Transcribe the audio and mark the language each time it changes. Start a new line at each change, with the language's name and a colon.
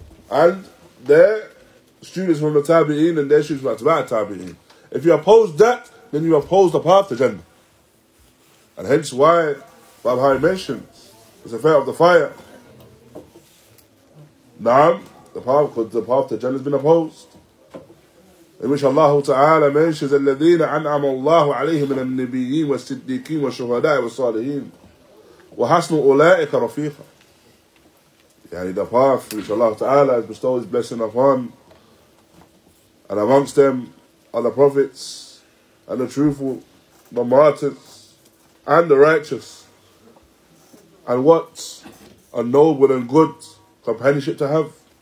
English: And their students from the Tabi'een and their students from the Tabi'een. If you oppose that, then you oppose the path to Jannah. And hence why Barbahaaree mentioned it's a fair of the fire. Naam, the path to Jannah has been opposed. In which Allah Ta'ala mentions
Arabic: الَّذِينَ عَنْعَمَ اللَّهُ عَلَيْهِمْ مِنَ النَّبِيِّينَ وَالصِّدِّيقِينَ وَالشُّهَدَاءِ وَالصَّالِحِينَ وَحَسْنُ أُولَٰئِكَ رَفِيقًا.
English: Yani the path which Allah Ta'ala has bestowed His blessing upon, and amongst them are the prophets, and the truthful, the martyrs, and the righteous. And what a noble and good companionship to have.